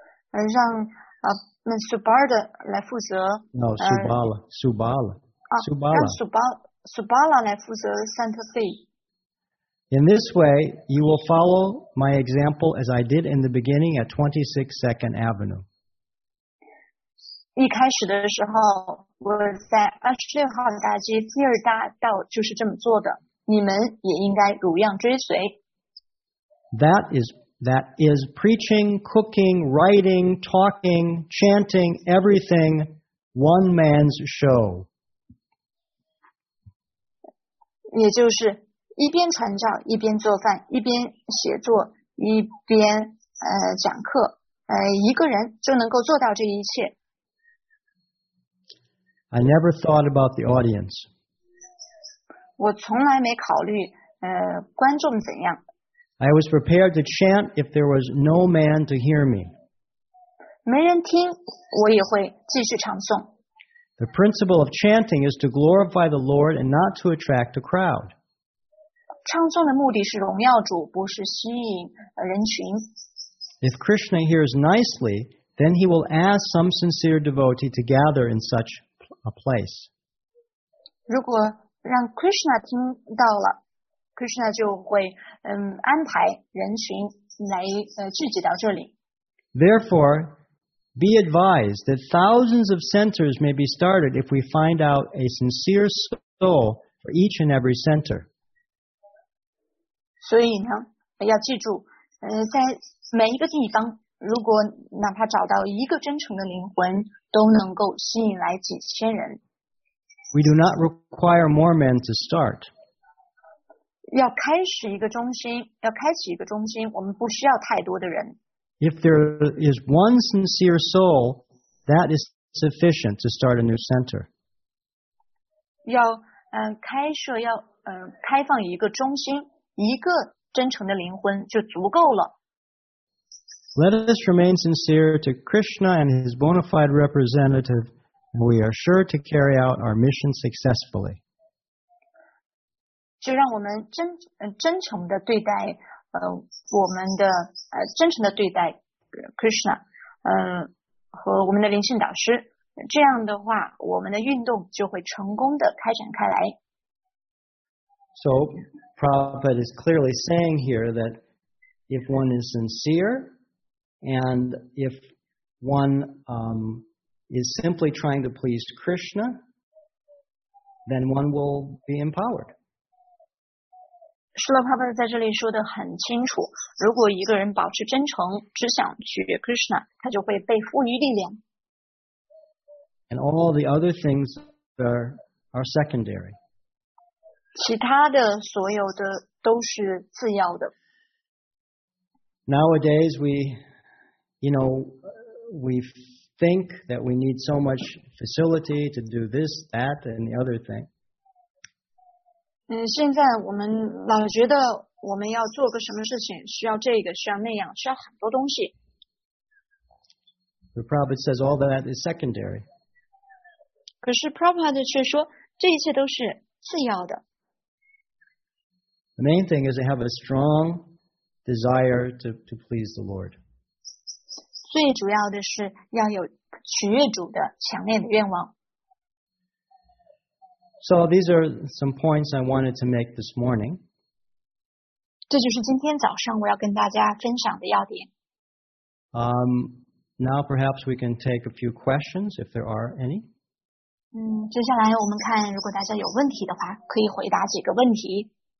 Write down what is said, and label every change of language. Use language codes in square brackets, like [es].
[zh] 让Subala 来负责。 [en] No, Subala. Subala. Subala. [zh] 让 Subala 来负责 Santa Fe. [en] In this way, you will follow my example as I did in the beginning at 26 Second Avenue. [zh] 一开始的时候，我在26号大街第二大道就是这么做的。你们也应该如样追随。 [en] That is preaching, cooking, writing, talking, chanting, everything, one man's show. [zh] 也就是一边传教，一边做饭，一边写作，一边讲课，一个人就能够做到这一切。 [en] I never thought about the audience. [zh] 我从来没考虑观众怎样。 [en] I was prepared to chant if there was no man to hear me. [zh] 没人听，我也会继续唱诵。 [en] The principle of chanting is to glorify the Lord and not to attract a crowd. [zh] 唱诵的目的是荣耀主，不是吸引人群。 [en] If Krishna hears nicely, then he will ask some sincere devotee to gather in such a place. [zh] 如果让 Krishna 听到了， Krishna 就会安排人群来聚集到这里。 [en] Therefore, be advised that thousands of centers may be started if we find out a sincere soul for each and every center. [zh] 所以呢，要记住，在每一个地方，如果哪怕找到一个真诚的灵魂，都能够吸引来几千人。 [en] We do not require more men to start. [zh] 要开始一个中心，要开启一个中心，我们不需要太多的人。 [en] If there is one sincere soul, that is sufficient to start a new center. [zh] 要开设要开放一个中心，一个真诚的灵魂就足够了。 [en] Let us remain sincere to Krishna and his bona fide representative, and we are sure to carry out our mission successfully. [zh] 就让我们真诚地对待我们的真诚地对待 Krishna 和我们的灵性导师，这样的话我们的运动就会成功地开展开来。 [en] So Prabhupada is clearly saying here that if one is sincere and if one is simply trying to please Krishna, then one will be empowered. [zh] 释迦牟尼在这里说得很清楚，如果一个人保持真诚，只想取悦 Krishna, 他就会被赋予力量。 [en] And all the other things are secondary. [zh] 其他的所有的都是次要的。 [en] Nowadays, we think that we need so much facility to do this, that, and the other thing. [zh] 现在我们老觉得我们要做个什么事情，需要这个，需要那样，需要很多东西。 [en] The Prabhupada says all that is secondary. [zh] 可是 Prabhupada 却说，这一切都是次要的。 [en] The main thing is to have a strong desire to please the Lord. [zh] 最主要的是要有取悦主的强烈的愿望。 [en] So these are some points I wanted to make this morning. [zh] 这就是今天早上我要跟大家分享的要点。 [en] Now perhaps we can take a few questions if there are any. [zh] 接下来我们看如果大家有问题的话，可以回答几个问题。